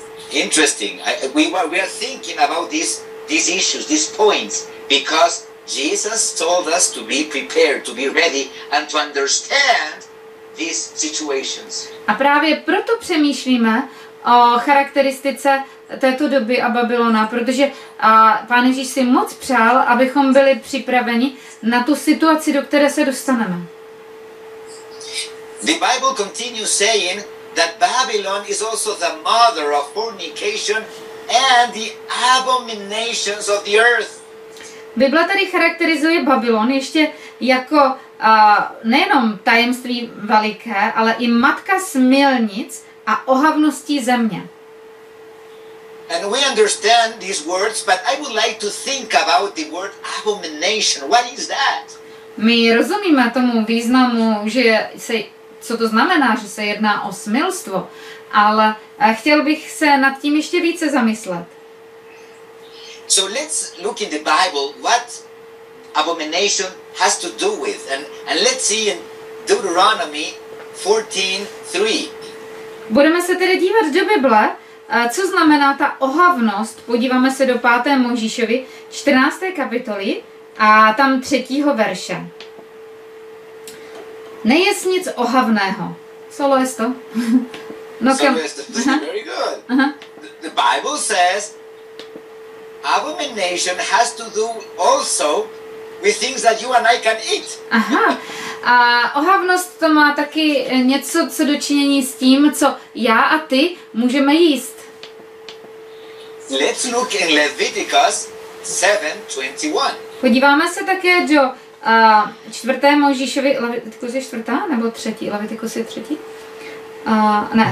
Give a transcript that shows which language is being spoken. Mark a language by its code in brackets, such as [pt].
[en] Interesting. We are thinking about these issues, these points, because Jesus told us to be prepared, to be ready and to understand these situations. [cs] A právě proto přemýšlíme o charakteristice této doby a Babylona, protože Pán Ježíš si moc přál, abychom byli připraveni na tu situaci, do které se dostaneme. [en] The Bible continues saying that Babylon is also the mother of fornication and the abominations of the earth. [cs] Bible tady charakterizuje Babylon ještě jako nejenom tajemství veliké, ale i matka smilnic a ohavností země. [en] And we understand these words, but I would like to think about the word abomination. What is that? [cs] My rozumíme tomu významu, že co to znamená, že se jedná o smilstvo, ale chtěl bych se nad tím ještě více zamyslet. [en] So let's look in the Bible what abomination has to do with, and let's see in Deuteronomy 14:3. [cs] Budeme se tedy dívat do Bible, co znamená ta ohavnost. Podíváme se do 5. Mojžíšovi 14. kapitoly a tam 3. verše. Nejest nic ohavného. Solo jest to. No, solo jest to. [en] Very good. The Bible says abomination has to do also with things that you and I can eat. [cs] Aha. A ohavnost to má taky něco co dočinění s tím, co já a ty můžeme jíst. [en] Let's look in Leviticus 7:21. [cs] Podíváme se také do 4. Mojžíšovi, Levitikus je 4. nebo 3. Levitikus je 3. Ne,